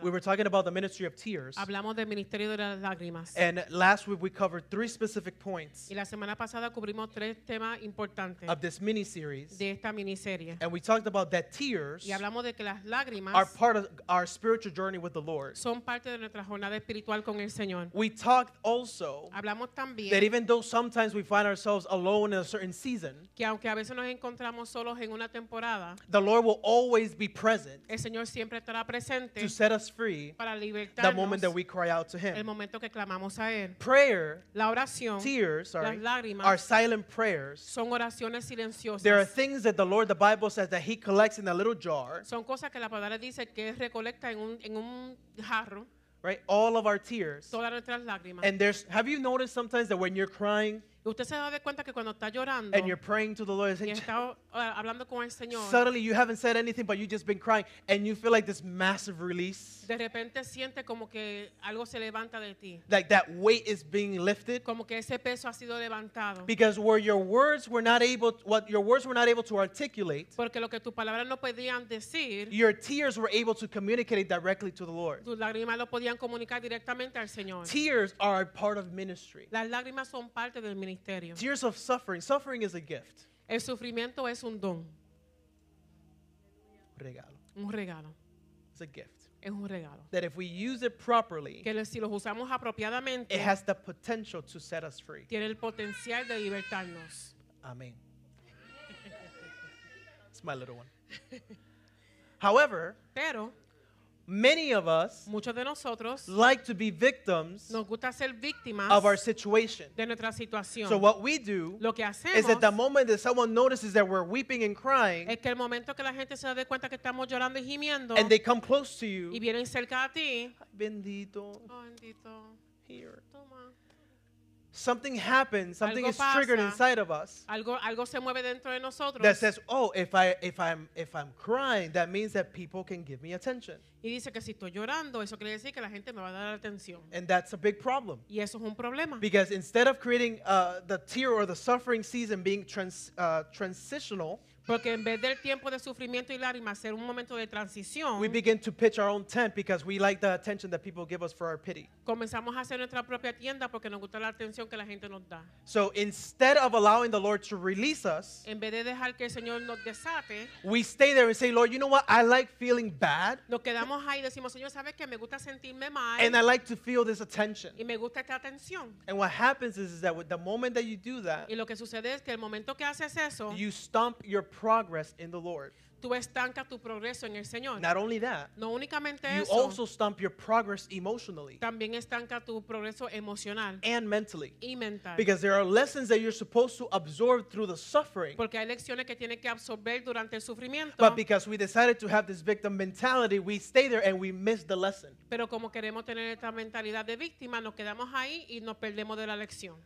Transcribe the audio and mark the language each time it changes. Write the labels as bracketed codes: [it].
[en] we were talking about the ministry of tears. [es] Hablamos del ministerio de las lágrimas. [en] And last week, we covered three specific points [es] y la semana pasada cubrimos tres temas importantes [en] of this mini-series. [es] De esta miniserie. [en] And we talked about that tears [es] y hablamos de que las lágrimas [en] are part of our spiritual journey with the Lord. [es] Son parte de nuestra jornada espiritual con el Señor. [en] We talked also [es] hablamos también [en] that even though sometimes we find ourselves alone in a certain season, [es] que aunque a veces nos encontramos solos en una temporada, [en] the Lord will always be present. [es] El Señor siempre estará presente [en] to set us free [es] para [en] the moment that we cry out to Him. [es] El momento que clamamos a él. [en] Prayer, [es] la oración, [en] tears, sorry, [es] las lágrimas, [en] are silent prayers. [es] Son oraciones silenciosas. [en] There are things that the Lord, the Bible says, that He collects in a little jar. [es] Son cosas que la palabra dice que recolecta en un jarro. [en] Right? All of our tears. [es] Todas nuestras lágrimas. [en] And there's, have you noticed sometimes that when you're crying, and you're praying to the Lord, saying, suddenly you haven't said anything, but you've just been crying, and you feel like this massive release. [es] De repente siente como que algo se levanta de ti. [en] Like that weight is being lifted. [es] Como que ese peso ha sido levantado. [en] Because where your words were not able, what your words were not able to articulate, [es] porque lo que tu palabra no podían decir, [en] your tears were able to communicate directly to the Lord. [es] Tus lágrimas lo podían comunicar directamente al Señor. [en] Tears are a part of ministry. [es] Las lágrimas son parte del ministerio. [en] Tears of suffering. Suffering is a gift. [es] El sufrimiento es un don. Regalo. Un regalo. [en] It's a gift. That if we use it properly, [es] que si los usamos apropiadamente, [en] it has the potential to set us free. [es] Tiene el potencial de libertarnos. [en] Amen. It's my little one. However, [es] pero, [en] many of us [es] muchos de nosotros, [en] like to be victims [es] nos gusta ser víctimas [en] of our situation. [es] De nuestra situación. [en] So what we do [es] lo que hacemos, [en] is that the moment that someone notices that we're weeping and crying [es] es que el momento que la gente se da de cuenta que estamos llorando y gimiendo, [en] and they come close to you [es] y vienen cerca a ti, bendito, oh, bendito. [en] Here. [es] Toma. [en] Something happens, something [es] algo [en] is triggered [es] pasa, [en] inside of us [es] algo se mueve dentro de nosotros, [en] that says, oh, if I'm crying, that means that people can give me attention. [es] Y dice que si estoy llorando, eso quiere decir que la gente me va a dar atención. [en] And that's a big problem. [es] Y eso es un problema. [en] Because instead of creating the tear or the suffering season being transitional, [es] porque en vez del tiempo de sufrimiento y lágrimas ser un momento de transición, [en] we begin to pitch our own tent because we like the attention that people give us for our pity. [es] Comenzamos a hacer nuestra propia tienda porque nos gusta la atención que la gente nos da. [en] So instead of allowing the Lord to release us, [es] en vez de dejar que el Señor nos desate, [en] we stay there and say, Lord, you know what? I like feeling bad. [es] Nos quedamos ahí y decimos, Señor, ¿sabes qué? Me gusta sentirme mal. [en] And I like to feel this attention. [es] Y me gusta esta atención. [en] And what happens is that with the moment that you do that, [es] y lo que sucede es que el momento que haces eso, [en] you stomp your progress in the Lord. [es] Tú estancas tu progreso en el Señor. [en] Not only that, [es] no únicamente [en] you [es] eso, [en] also stump your progress emotionally. [es] También estanca tu progreso emocional [en] and mentally. [es] Y mental. [en] Because there are lessons that you're supposed to absorb through the suffering. [es] Porque hay lecciones que tienes que absorber durante el sufrimiento. [en] But because we decided to have this victim mentality, we stay there and we miss the lesson. [es] Pero como queremos tener esta mentalidad de víctima, nos quedamos ahí y nos perdemos de la lección.